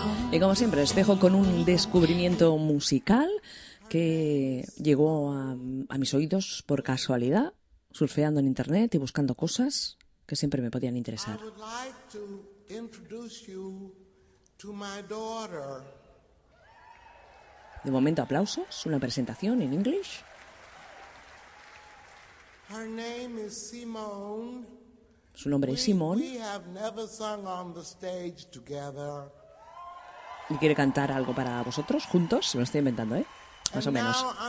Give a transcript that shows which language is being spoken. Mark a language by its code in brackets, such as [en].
[es] Y como siempre, os dejo con un descubrimiento musical que llegó a mis oídos por casualidad, surfeando en internet y buscando cosas que siempre me podían interesar. [en] I would like to introduce you to my daughter. [es] De momento, aplausos, una presentación en inglés. [en] Her name is Simone. [es] Su nombre es Simone. [en] We have never sung on the stage together. [es] ¿Y quiere cantar algo para vosotros juntos? Se lo estoy inventando, ¿eh? Más o menos.